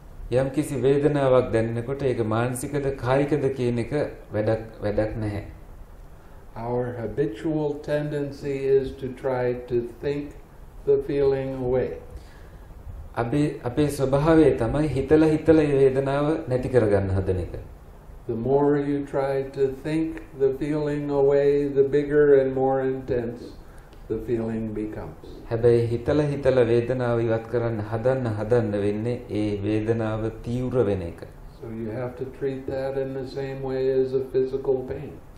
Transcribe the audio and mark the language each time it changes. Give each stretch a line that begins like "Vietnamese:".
Sinhala: යම් කිසි වේදනාවක් දැනෙනකොට ඒක මානසිකද කායිකද කියන එක වැඩක් නැහැ.
English: Our habitual tendency is to try to think the feeling away.
Sinhala: අපේ ස්වභාවය තමයි හිතලා මේ වේදනාව නැති කරගන්න හදන එක.
English: The more you try to think the feeling away, the bigger and more intense the feeling becomes.
Sinhala: හැබැයි හිතලා වේදනාව ඉවත් කරන්න හදන්න වෙන්නේ ඒ වේදනාව තීව්‍ර වෙන එක.
English: So you have to treat that in the same way as a physical pain.